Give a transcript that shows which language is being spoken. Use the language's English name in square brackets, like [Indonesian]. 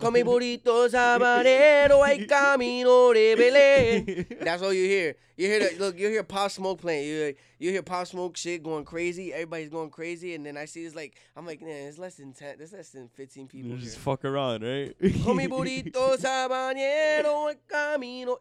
[Spanish] Con mi burrito sabanero, el camino de Belén. [English] That's all you hear. You hear Pop Smoke playing. You hear Pop Smoke shit going crazy. Everybody's going crazy. And then I see it's like, I'm like, man, it's less than 10. There's less than 15 people. You just here. Fuck around, right? [Spanish] Con mi burrito sabanero, el camino.